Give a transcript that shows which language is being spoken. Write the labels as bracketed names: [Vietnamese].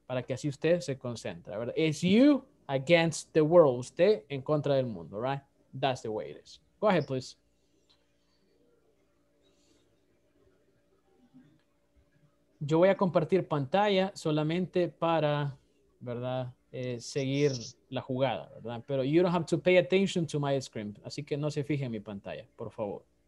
[Spanish] Para que así usted se concentre, ¿verdad? [English] It's you against the world, [Spanish] usted en contra del mundo, [English] right? That's the way it is. Go ahead, please. [Spanish] Yo voy a compartir pantalla solamente para, ¿verdad? Seguir la jugada, ¿verdad? Pero [English] you don't have to pay attention to my screen. [Spanish] Así que no se fije en mi pantalla, por favor.